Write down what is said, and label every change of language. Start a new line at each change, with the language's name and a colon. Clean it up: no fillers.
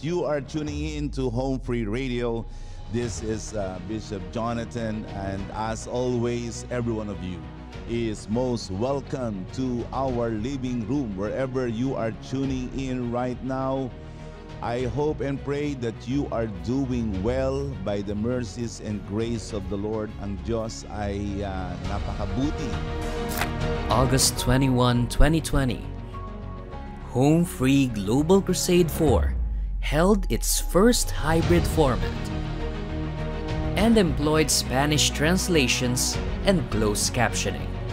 English: You are tuning in to Home Free Radio. This is Bishop Jonathan, and as always, every one of you is most welcome to our living room, wherever you are tuning in right now. I hope and pray that you are doing well by the mercies and grace of the Lord.
Filipino: Ang Diyos ay napakabuti.
English: August 21, 2020, Home Free Global Crusade 4 held its first hybrid format and employed Spanish translations and closed captioning.